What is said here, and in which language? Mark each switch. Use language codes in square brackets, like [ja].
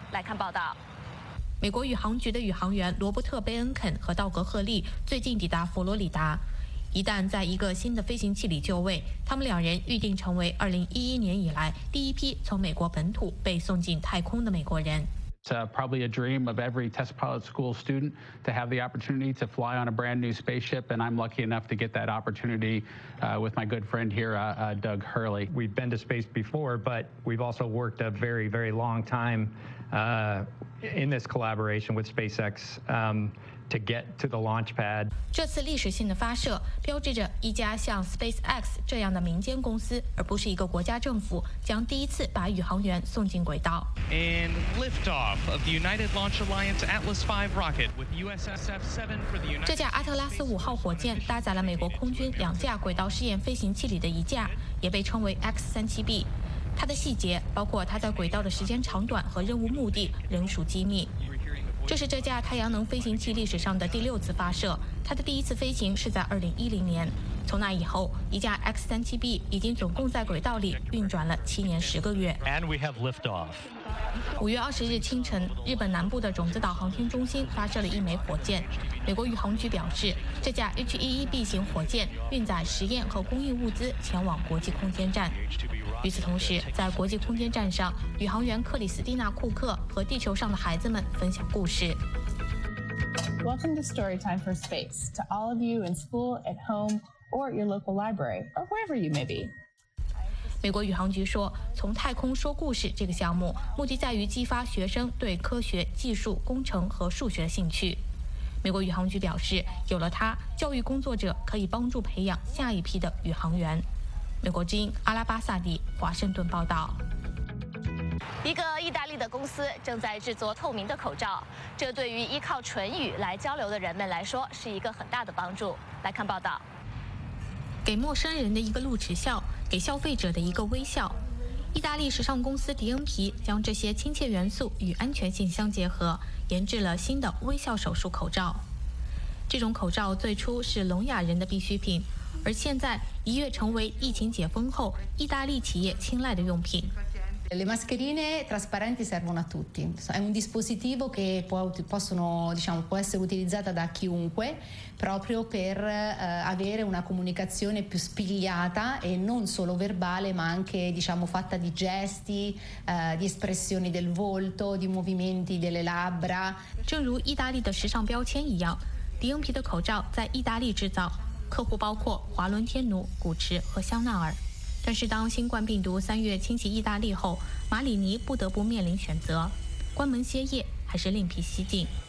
[zh] 来看报道。美国宇航局的宇航员罗伯特·贝恩肯和道格·赫利最近抵达佛罗里达，一旦在一个新的飞行器里就位，他们两人预定成为2011年以来第一批从美国本土被送进太空的美国人。 [en] It's probably a dream of every test pilot school student to have the opportunity to fly on a brand new spaceship, and I'm lucky enough to get that opportunity with my good friend here, Doug Hurley. We've been to space before, but we've also worked a very, very long time in this collaboration with SpaceX to get to the launch pad. [zh] 这次历史性的发射标志着一家像 SpaceX 这样的民间公司，而不是一个国家政府，将第一次把宇航员送进轨道。 [en] And liftoff of the United Launch Alliance Atlas V rocket with USSF 7 for the United [zh] 这架阿特拉斯五号火箭搭载了美国空军两架轨道试验飞行器里的一架，也被称为 X-37B。它的细节，包括它在轨道的时间长短和任务目的，仍属机密。这是这架太阳能飞行器历史上的第六次发射，它的第一次飞行是在2010年。从那以后，一架 X-37B 已经总共在轨道里运转了7年10个月。 [en] And we have liftoff. [zh] 5月20日清晨，日本南部的种子岛航天中心发射了一枚火箭。美国宇航局表示，这架 H-11B 型火箭运载实验和工艺物资前往国际空间站。与此同时，在国际空间站上，宇航员克里斯蒂娜·库克和地球上的孩子们分享故事。 [en] Welcome to Storytime for Space, to all of you in school, at home, or at your local library, or wherever you may be. [zh] 美国宇航局说，从太空说故事这个项目目的在于激发学生对科学、技术、工程和数学的兴趣。美国宇航局表示，有了它，教育工作者可以帮助培养下一批的宇航员。美国之音阿拉巴萨蒂华盛顿报道。一个意大利的公司正在制作透明的口罩，这对于依靠唇语来交流的人们来说是一个很大的帮助。来看报道。给陌生人的一个露齿笑，给消费者的一个微笑。意大利时尚公司迪恩皮将这些亲切元素与安全性相结合，研制了新的微笑手术口罩。这种口罩最初是聋哑人的必需品，而现在一跃成为疫情解封后意大利企业青睐的用品。 [it] Le mascherine trasparenti servono a tutti. È un dispositivo che può essere utilizzata da chiunque proprio per avere una comunicazione più spigliata e non solo verbale, ma anche fatta di gesti, di espressioni del volto, di movimenti delle labbra. [zh] 正如意大利的时尚标签一样，迪恩皮的口罩在意大利制造，客户包括华伦天奴、古驰和香奈儿。但是当新冠病毒三月侵袭意大利后，马里尼不得不面临选择，关门歇业还是另辟蹊径。